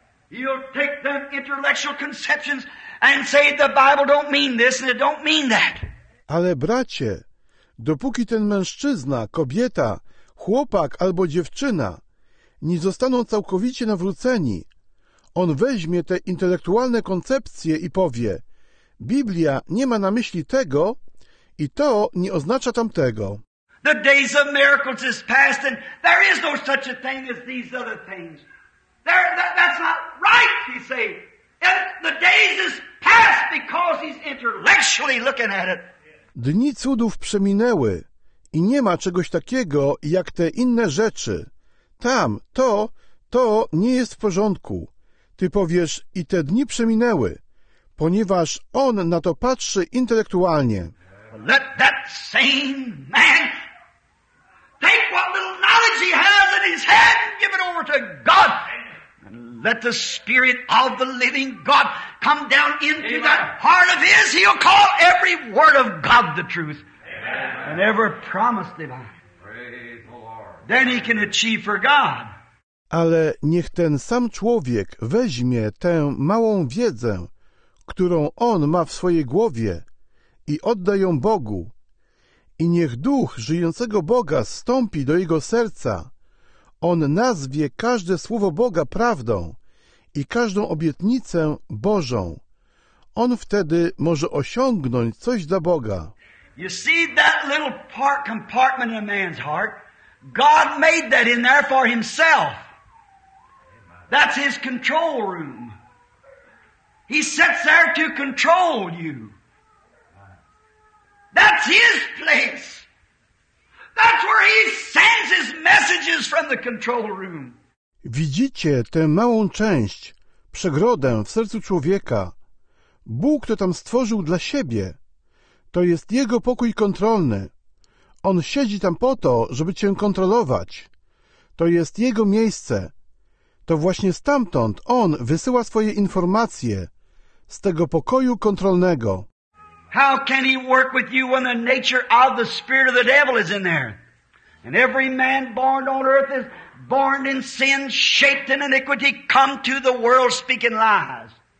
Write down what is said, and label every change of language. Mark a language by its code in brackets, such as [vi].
[en] You'll take them intellectual conceptions and say the Bible don't mean this and it don't mean that. [pl] Ale bracie, dopóki ten mężczyzna, kobieta, chłopak albo dziewczyna nie zostaną całkowicie nawróceni, on weźmie te intelektualne koncepcje i powie: Biblia nie ma na myśli tego i to nie oznacza tamtego. [en] The days of miracles is past and there is no such a thing as these other things. That's not right, he say. And the days is past because he's intellectually looking at it. [pl] Dni cudów przeminęły i nie ma czegoś takiego jak te inne rzeczy. Tam, to nie jest w porządku. Ty powiesz, i te dni przeminęły, ponieważ on na to patrzy intelektualnie. [en] Let that same man take what little knowledge he has in his head and give it over to God. Let the Spirit of the living God come down into Amen. That heart of his. He'll call every word of God the truth. Amen. And every promise divine. Praise the Lord. Then he can achieve for God. [pl] Ale niech ten sam człowiek weźmie tę małą wiedzę, którą on ma w swojej głowie, i odda ją Bogu. I niech Duch żyjącego Boga stąpi do jego serca. On nazwie każde słowo Boga prawdą i każdą obietnicę Bożą. On wtedy może osiągnąć coś dla Boga. [en] You see that little part compartment in a man's heart? God made that in there for himself. That's his control room. He sits there to control you. That's his place. That's where he sends his messages from the control room. [pl] Widzicie tę małą część, przegrodę w sercu człowieka. Bóg to tam stworzył dla siebie. To jest jego pokój kontrolny. On siedzi tam po to, żeby cię kontrolować. To jest jego miejsce. To właśnie stamtąd on wysyła swoje informacje z tego pokoju kontrolnego. [en] How can he work with you when the nature of the spirit of the devil is in there? And every man born on earth is born in sin, shaped in iniquity, come to the world speaking lies.